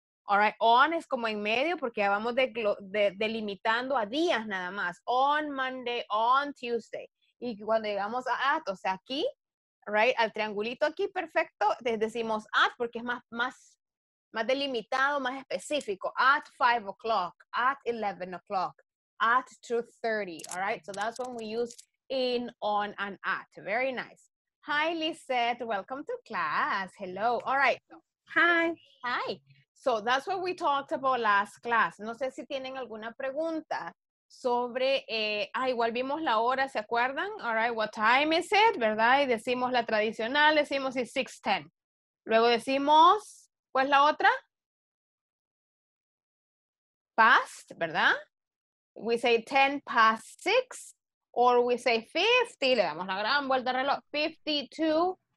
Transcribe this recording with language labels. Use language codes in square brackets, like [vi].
[es] All right, on es como en medio porque ya vamos delimitando a días nada más. [en] On Monday, on Tuesday. [es] Y cuando llegamos a at, o sea, aquí, right, al triangulito aquí, perfecto, decimos at porque es más delimitado, más específico. [en] At 5 o'clock, at 11 o'clock, at 2:30. All right, so that's when we use in, on, and at. Very nice. Hi, Lisette. Welcome to class. Hello. All right. Hi. Hi. So that's what we talked about last class. [es] No sé si tienen alguna pregunta sobre, igual vimos la hora, ¿se acuerdan? [en] All right, what time is it, ¿verdad? [es] Y decimos la tradicional, decimos [en] it's 6:10. [es] Luego decimos, ¿cuál es la otra? [en] Past, ¿verdad? We say 10 past 6, or we say 50, [es] le damos la gran vuelta al reloj, [en] 52.